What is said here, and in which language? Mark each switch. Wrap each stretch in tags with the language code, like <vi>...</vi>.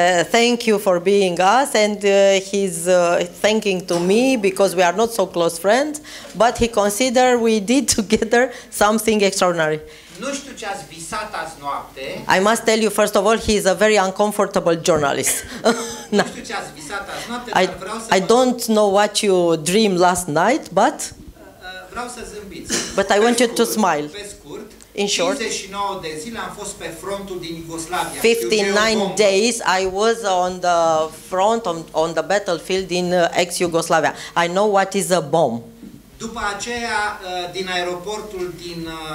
<en>Thank you for being us, and he's thanking to me because we are not so close friends, but he consider we did together something extraordinary.</en> <ro>Nu știu ce ați visat azi noapte.</ro> <en>I must tell you, first of all, he is a very uncomfortable journalist.</en> <ro>Nu știu ce ați visat azi noapte, dar vreau să</ro> <en>I don't know what you dream last night, but</en> <ro>vreau să zâmbiți.</ro> <en>But I want you to smile.</en> <ro>Pe scurt,</ro> <en>in short,</en> <ro>59 de zile am fost pe frontul din Iugoslavia.</ro> <en>59 days I was on the front, on the battlefield in ex-Yugoslavia. I know what is a bomb.</en> <ro>După aceea, din aeroportul din</ro>